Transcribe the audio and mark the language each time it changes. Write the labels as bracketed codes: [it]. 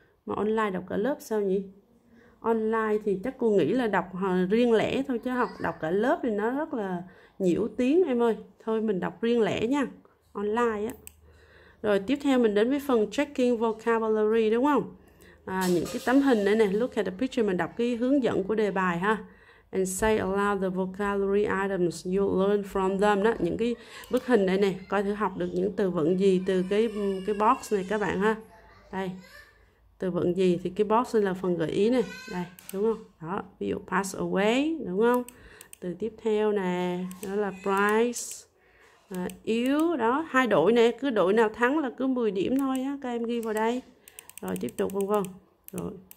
[vi] Mà online đọc cả lớp sao nhỉ? Online thì chắc cô nghĩ là đọc riêng lẻ thôi, chứ học đọc cả lớp thì nó rất là nhiễu tiếng em ơi. Thôi mình đọc riêng lẻ nha, online á. Rồi tiếp theo mình đến với phần checking vocabulary đúng không? Những cái tấm hình này nè, [en] look at the picture, [vi] mình đọc cái hướng dẫn của đề bài ha. [en] And say aloud the vocabulary items you learn from them. [vi] Đó, những cái bức hình này nè, coi thử học được những từ vựng gì từ cái box này các bạn ha. Đây, từ vựng gì thì cái box là phần gợi ý này, đây đúng không? Đó, ví dụ pass away đúng không? Từ tiếp theo nè, đó là price, yếu đó, hai đội nè, cứ đội nào thắng là cứ 10 điểm thôi á, các em ghi vào đây. Rồi tiếp tục vân vân. Rồi.